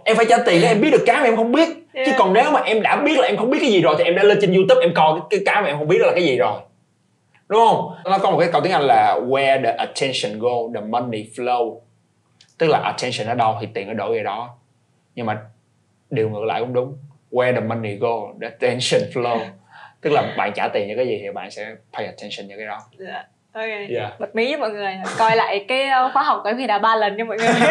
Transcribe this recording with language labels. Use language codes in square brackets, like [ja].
[vi] Em phải trả tiền để em biết được cái mà em không biết. Chứ còn nếu mà em đã biết là em không biết cái gì rồi thì em đã lên trên YouTube em coi cái mà em không biết đó là cái gì rồi. Đúng không? Nó có một cái câu tiếng Anh là [en] where the attention go, the money flow. [vi] Tức là attention ở đâu thì tiền ở đổi về đó. Nhưng mà điều ngược lại cũng đúng. [en] Where the money go, the attention flow. [vi] Tức là bạn trả tiền cho cái gì thì bạn sẽ pay attention cho cái đó. Bật mí với mọi người, coi lại cái khóa học của em thì đã 3 lần cho mọi người.